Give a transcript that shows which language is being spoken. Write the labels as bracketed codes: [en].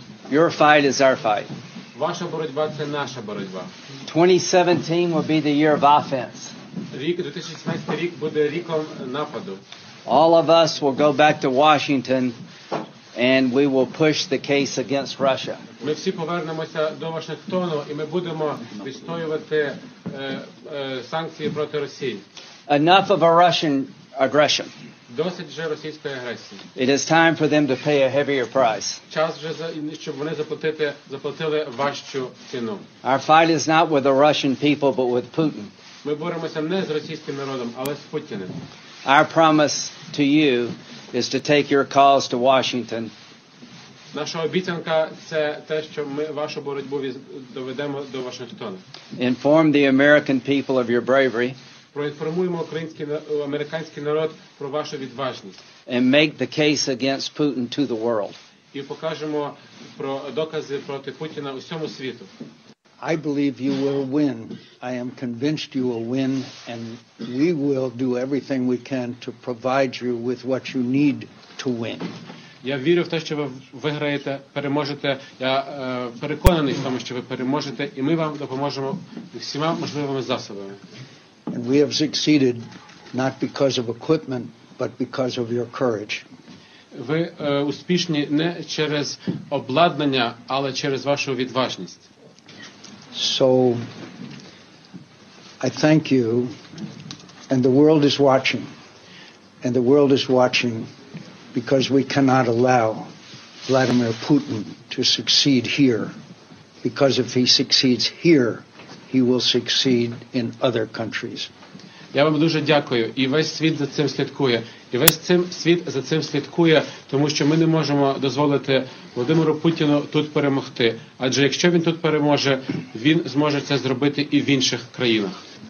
[en] Your fight is our fight. 2017 will be the year of offense. All of us will go back to Washington and we will push the case against Russia. [uk] Ми всі повернемося до Вашингтону і ми будемо відстоювати санкції проти Росії. [en] Enough of a Russian aggression. [uk] Досить вже російської агресії. [en] It is time for them to pay a heavier price. [uk] Час вже за щоб вони заплатили важчу ціну. [en] Our fight is not with the Russian people, but with Putin. [uk] Ми боремося не з російським народом, але з Путіним. [en] Our promise to you is to take your cause to Washington. [uk] Наша обіцянка це те, що ми вашу боротьбу доведемо до Вашингтона. [en] Inform the American people of your bravery. [uk] Проінформуємо американський народ про вашу відважність. [en] And make the case against Putin to the world. [uk] І покажемо про докази проти Путіна усьому світу. [en] I believe you will win. I am convinced you will win, and we will do everything we can to provide you with what you need to win. [uk] Я вірю в те, що ви виграєте, переможете. Я переконаний в тому, що ви переможете, і ми вам допоможемо всіма можливими засобами. [en] And we have succeeded not because of equipment, but because of your courage. [uk] Ви успішні не через обладнання, але через вашу відважність. [en] So, I thank you, and the world is watching, and the world is watching because we cannot allow Vladimir Putin to succeed here, because if he succeeds here, he will succeed in other countries. [uk] Я вам дуже дякую, і весь світ за цим слідкує, і весь цим світ за цим слідкує, тому що ми не можемо дозволити Володимиру Путіну тут перемогти, адже якщо він тут переможе, він зможе це зробити і в інших країнах.